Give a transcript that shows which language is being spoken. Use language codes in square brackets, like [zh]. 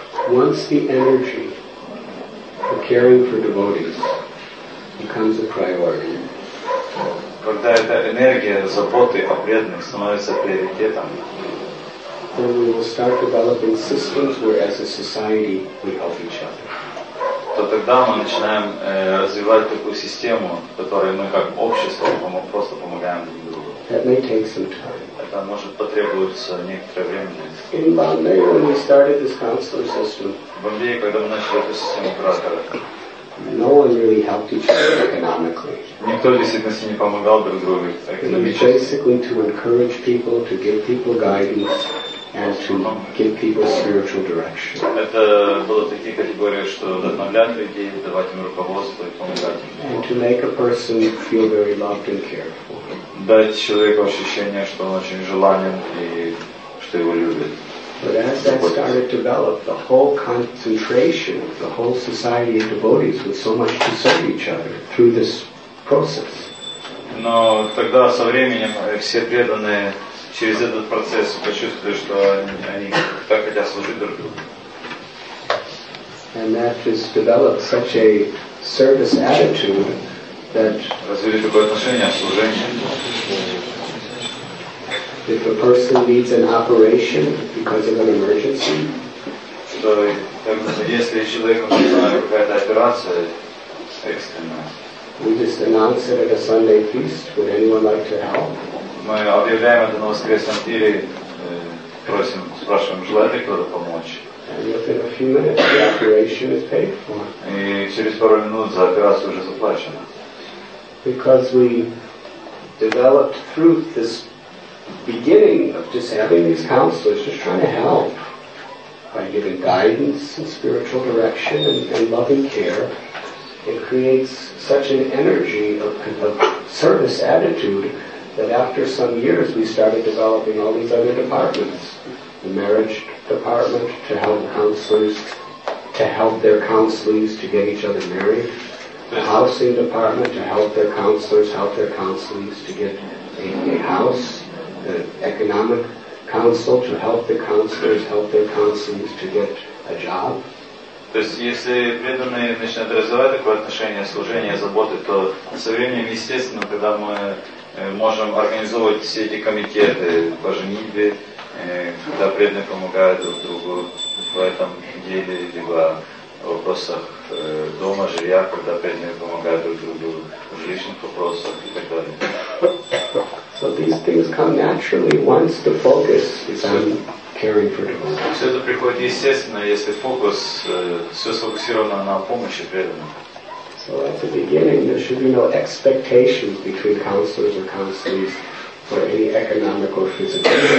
[en] Once the energy of caring for devotees becomes a priority, [ru] когда эта энергия заботы о преданных становится приоритетом, [en] then we will start developing systems where as a society we help each other. [ru] То тогда мы начинаем развивать такую систему, в которой мы как общество просто помогаем друг другу. [en] That may take some time. [ru] Это может потребоваться некоторое время. [en] In Bombay, when we started this counselor system, [ru] в Бомбее, когда мы начали эту систему куратора, [en] no one really helped each other economically. [ru] Никто действительно не помогал друг другу экономически. [en] It was basically to encourage people, to give people guidance, and to give people spiritual direction. [ru] Это было такие категории, что вдохновлять людей, давать им руководство и помогать им. [en] And to make a person feel very loved and cared for. [ru] Дать человеку ощущение, что он очень желанен и что его любят. [en] But as that started to develop, the whole concentration of the whole society of devotees with so much to serve each other through this process. [ru] Но тогда со временем все преданные через этот процесс почувствовали, что они так хотят служить друг другу. [en] And that has developed such a service attitude that [ru] развили такое отношение к служению. [en] If a person needs an operation because of an emergency, [ru] so если человеку нужна какая-то операция экстренная, [en] we just announce it at a Sunday feast. Would anyone like to help? [ru] Мы объявляем это на воскресном пире, просим, спрашиваем, желает ли кто-то помочь? [en] And within a few minutes, the operation is paid for. [ru] И через пару минут за операцию уже заплачено. [en] Because we developed through this beginning of just having these counselors just trying to help by giving guidance and spiritual direction and loving care, it creates such an energy of service attitude that after some years we started developing all these other departments, the marriage department to help counselors, to help their counselees to get each other married, the housing department to help their counselors, help their counselees to get a house, the economic council to help the counselors help their counselees to get a job. [ru] То есть, если преданные начинают развивать такое отношение служения, заботы, то со временем, естественно, когда мы можем организовывать все эти комитеты по женитьбе, когда преданные помогают друг другу в этом деле, либо в вопросах дома, жилья, когда преданные помогают друг другу в жилищных вопросах и так далее. [en] So these things come naturally once the focus is on caring for devotees. [ru] Все это приходит естественно, если фокус все сфокусировано на помощи преданным. [en] So at the beginning there should be no expectations between counselors or counselees for any economic or physical.